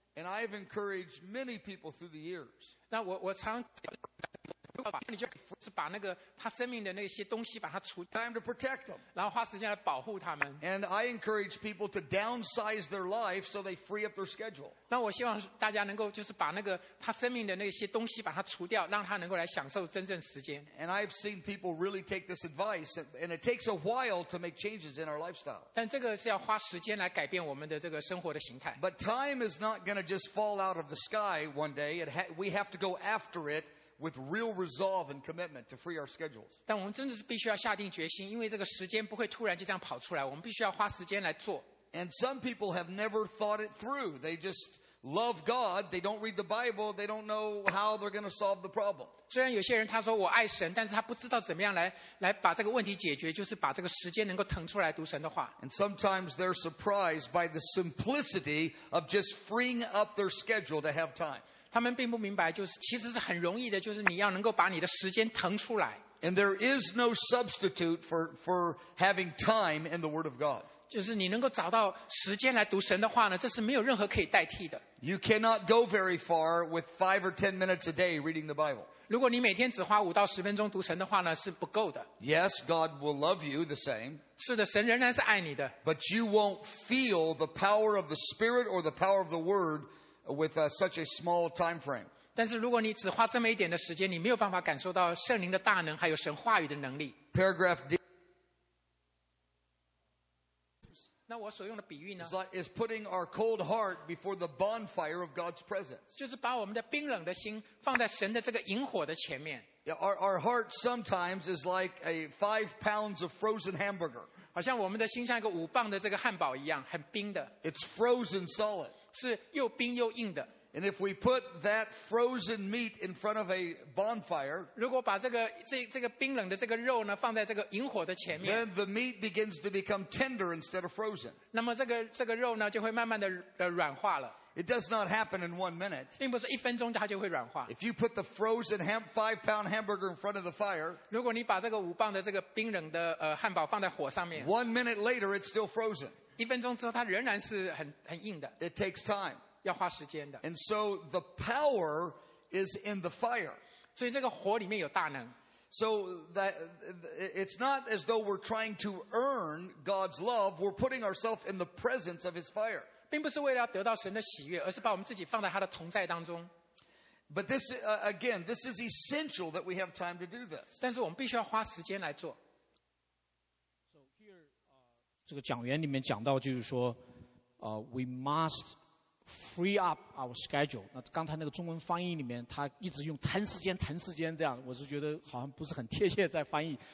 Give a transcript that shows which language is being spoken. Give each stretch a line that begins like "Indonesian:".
English: And I've encouraged many people through the years.
Chinese: 那我常你就扶持把那个他生命的那些东西把它除掉
English: time to protect them.
Chinese: 然后花时间来保护他们
English: and I encourage people to downsize their life so they free up their schedule.
Chinese: 那我希望大家能够就是把那个他生命的那些东西把它除掉，让他能够来享受真正时间
English: and I've seen people really take this advice and it takes a while to make changes in our lifestyle.
Chinese: 但这个是要花时间来改变我们的这个生活的形态
English: but time is not going to just fall out of the sky one day. We have to go after itWith real resolve and commitment to free our schedules.
Chinese: 但我们真的是必须要下定决心，因为这个时间不会突然就这样跑出来，我们必须要花时间来做。
English: And some people have never thought it through. They just love God. They don't read the Bible. They don't know how they're going to solve the problem.
Chinese: 虽然有些人他说我爱神，但是他不知道怎么样来把这个问题解决，就是把这个时间能够腾出来读神的话。
English: And sometimes they're surprised by the simplicity of just freeing up their schedule to have time.
Chinese: 他们并不明白，就是其实是很容易的，就是你要能够把你的时间腾出来。
English: And there is no substitute for having time in the Word of God.
Chinese: 就是你能够找到时间来读神的话呢，这是没有任何可以代替的。
English: You cannot go very far with 5 or 10 minutes a day reading the Bible.
Chinese: 如果你每天只花五到十分钟读神的话呢，是不够的。
English: Yes, God will love you the same.
Chinese: 是的，神仍然是爱你的。
English: But you won't feel the power of the Spirit or the power of the Word with such a small time frame.
Chinese: 但是如果你只花这么一点的时间，你没有办法感受到圣灵的大能，还有神话语的能力。
English: Paragraph D.
Chinese: 那我所用的比喻呢
English: is putting our cold heart before the bonfire of God's presence.
Chinese: 就是把我们的冰冷的心放在神的这个萤火的前面。
English: Our heart sometimes is like a 5 pounds of frozen hamburger.
Chinese: 好像我们的心像一个五磅的这个汉堡一样，很冰的。
English: It's frozen solid.
Chinese: 是又冰又硬的。
English: And if we put that frozen meat in front of a bonfire,
Chinese: 如果把这个冰冷的这个肉呢放在这个萤火的前面，
English: then the meat begins to become tender instead of frozen.
Chinese: 那么这个肉呢就会慢慢的软化了。
English: It does not happen in 1 minute.
Chinese: 并不是一分钟它就会软化。
English: If you put the frozen 5 pound hamburger in front of the fire,
Chinese: 如果你把这个五磅的这个冰冷的汉堡放在火上面，
English: 1 minute later it's still frozen.
Chinese: 一分钟之后它仍然是很硬的。
English: It takes time.
Chinese: 要花时间的。
English: And so the power is in the fire.
Chinese: 所以这个火里面有大能。
English: So that it's not as though we're trying to earn God's love. We're putting ourselves in the presence of His fire.
Chinese: 并不是为了得到神的喜悦，而是把我们自己放在他的同在当中。
English: But this again, this is essential that we have time to do this.
Chinese: 但是我们必须要花时间来做。
English: So here,
Chinese: 这个讲员里面讲到就是说，
English: we must. Free up our schedule.
Chinese: 那刚才那个中文翻译里面，他一直用腾时间、腾时间这样，我是觉得好像不是很贴切在翻译。